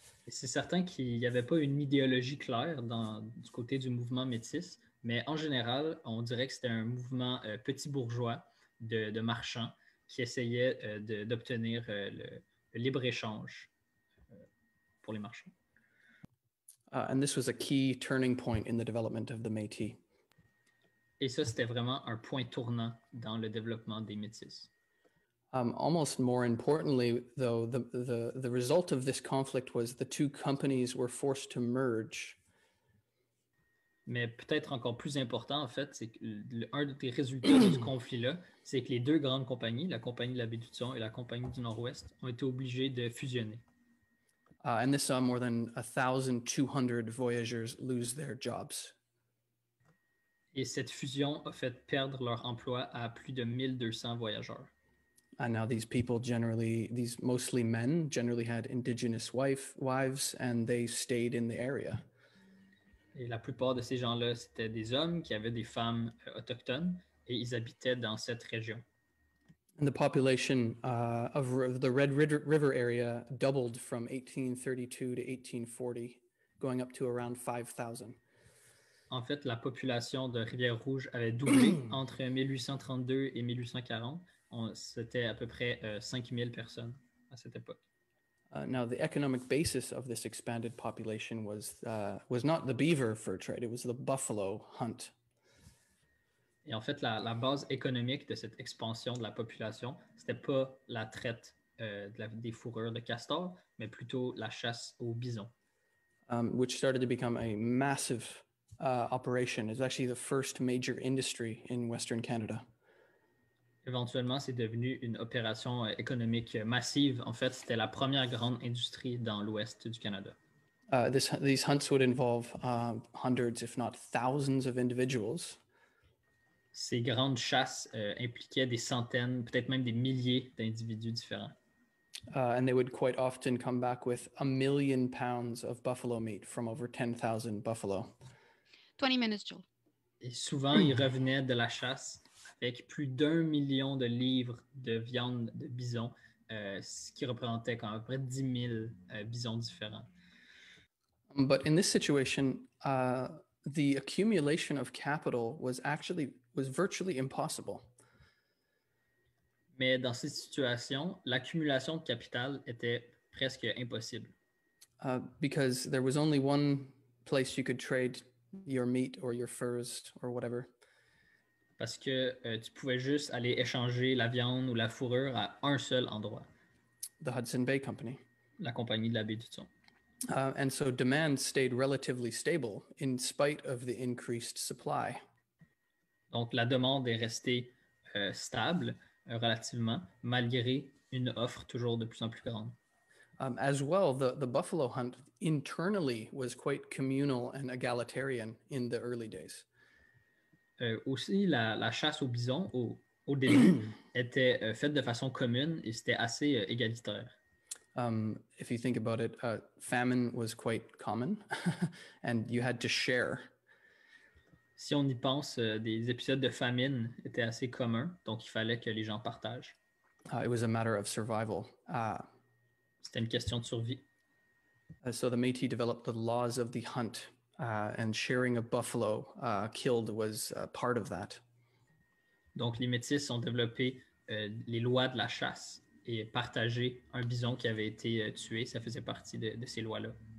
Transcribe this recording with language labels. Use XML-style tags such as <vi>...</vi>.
<fr>C'est certain qu'il n'y avait pas une idéologie claire dans, du côté du mouvement métis, mais en général, on dirait que c'était un mouvement petit bourgeois de marchands qui essayait d'obtenir le libre-échange pour les marchands.</fr> <en>And this was a key turning point in the development of the Métis.</en> <fr>Et ça, c'était vraiment un point tournant dans le développement des Métis.</fr> <en>Almost more importantly, though, the result of this conflict was the two companies were forced to merge.</en> <fr>Mais peut-être encore plus important, en fait, c'est que un des résultats de ce conflit-là, c'est que les deux grandes compagnies, la compagnie de la Baie-du-Thon et la compagnie du Nord-Ouest, ont été obligées de fusionner.</fr> <en>And this saw more than 1,200 voyageurs lose their jobs.</en> <fr>Et cette fusion a fait perdre leur emploi à plus de 1,200 voyageurs.</fr> <en>And now these people generally, these mostly men, generally had indigenous wives, and they stayed in the area.</en> <fr>Et la plupart de ces gens-là, c'était des hommes qui avaient des femmes autochtones, et ils habitaient dans cette région.</fr> <en>And the population of the Red River area doubled from 1832 to 1840, going up to around 5,000.</en> <fr>En fait, la population de Rivière-Rouge avait doublé entre 1832 et 1840. C'était à peu près 5,000 personnes à cette époque.</fr> <en>Now, the economic basis of this expanded population was not the beaver fur trade, it was the buffalo hunt.</en> <fr>Et en fait, la base économique de cette expansion de la population, c'était pas la traite des fourrures de castor, mais plutôt la chasse aux bisons.</fr> <en>Which started to become a massive operation. It's actually the first major industry in Western Canada.</en> <fr>Éventuellement, c'est devenu une opération économique massive. En fait, c'était la première grande industrie dans l'ouest du Canada.</fr> <en>These hunts would involve hundreds, if not thousands, of individuals.</en> <fr>Ces grandes chasses impliquaient des centaines, peut-être même des milliers d'individus différents.</fr> <en>And they would quite often come back with 1,000,000 pounds of buffalo meat from over 10,000 buffalo. 20 minutes, Joel.</en> <fr>Et souvent, ils revenaient de la chasse avec plus d'un million de livres de viande de bison, ce qui représentait quand même à peu près 10 000 bisons différents.</fr> <en>But in this situation, the accumulation of capital was virtually impossible.</en> <fr>Mais dans cette situation, l'accumulation de capital était presque impossible.</fr> <en>Because there was only one place you could trade your meat or your furs or whatever.</en> <fr>Parce que tu pouvais juste aller échanger la viande ou la fourrure à un seul endroit.</fr> <en>The Hudson Bay Company.</en> <fr>La compagnie de la baie du Thon.</fr> <en>And so demand stayed relatively stable in spite of the increased supply.</en> <fr>Donc la demande est restée stable relativement malgré une offre toujours de plus en plus grande.</fr> <en>As well, the buffalo hunt internally was quite communal and egalitarian in the early days.</en> <fr>Aussi la chasse aux bisons au début était faite de façon commune et c'était assez égalitaire.</fr> <en>If you think about it, famine was quite common and you had to share.</en> <fr>Si on y pense, des épisodes de famine étaient assez communs, donc il fallait que les gens partagent.</fr> <en>It was a matter of survival.</en> <fr>C'était une question de survie.</fr> <en>So the Métis developed the laws of the hunt, and sharing a buffalo killed was part of that.</en> <fr>Donc les Métis ont développé les lois de la chasse, et partager un bison qui avait été tué, ça faisait partie de ces lois-là.</fr>